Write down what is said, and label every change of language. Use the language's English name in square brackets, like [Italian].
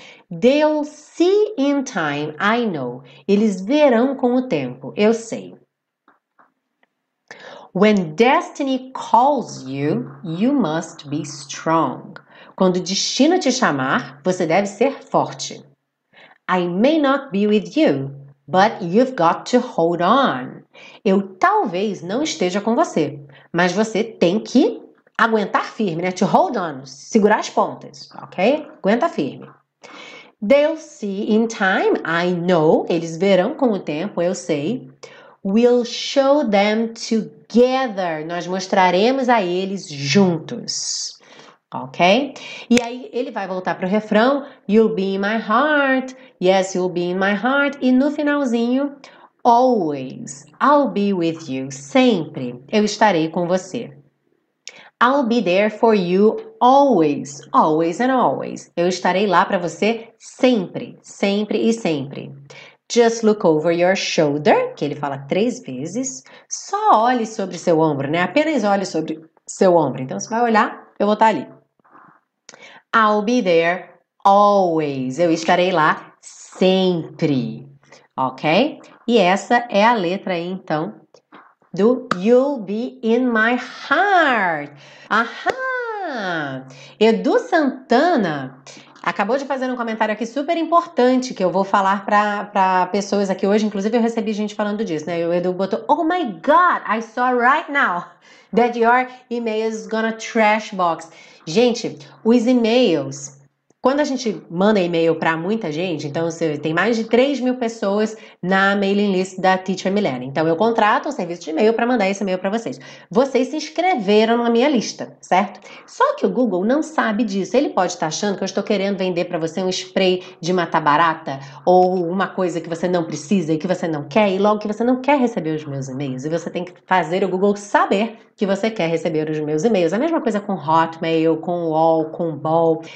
[English] They'll see in time, I know. [Portuguese] Eles verão com o tempo, eu sei. [English] When destiny calls you, you must be strong. [Portuguese] Quando o destino te chamar, você deve ser forte. [English] I may not be with you, but you've got to hold on. [Portuguese] Eu talvez não esteja com você, mas você tem que aguentar firme, né? [English] To hold on, [Portuguese] segurar as pontas, ok? Aguenta firme. [English] They'll see in time, I know. [Portuguese] Eles verão com o tempo, eu sei. [English] We'll show them together. [Portuguese] Nós mostraremos a eles juntos. Ok? E aí ele vai voltar pro refrão. [English] You'll be in my heart. Yes, you'll be in my heart. [Portuguese] E no finalzinho, [English] always. I'll be with you. [Portuguese] Sempre. Eu estarei com você. [English] I'll be there for you always. Always and always. [Portuguese] Eu estarei lá para você sempre. Sempre e sempre. [English] Just look over your shoulder. [Portuguese] Que ele fala três vezes. Só olhe sobre seu ombro, né? Apenas olhe sobre seu ombro. Então você vai olhar, eu vou estar ali. [English] I'll be there always. [Portuguese] Eu estarei lá sempre. Ok? E essa é a letra aí, então, do You'll Be In My Heart. Aham! Edu Santana acabou de fazer um comentário aqui super importante que eu vou falar para pessoas aqui hoje. Inclusive, eu recebi gente falando disso, né? O Edu botou, [English] oh my God, I saw right now that your email is gonna trash box. [Portuguese] Gente, os e-mails, quando a gente manda e-mail para muita gente, então você tem mais de 3 mil pessoas na mailing list da Teacher Milena. Então, eu contrato um serviço de e-mail para mandar esse e-mail para vocês. Vocês se inscreveram na minha lista, certo? Só que o Google não sabe disso. Ele pode estar achando que eu estou querendo vender para você um spray de matar barata ou uma coisa que você não precisa e que você não quer, e logo que você não quer receber os meus e-mails. E você tem que fazer o Google saber que você quer receber os meus e-mails. A mesma coisa com Hotmail, com UOL, com Bol.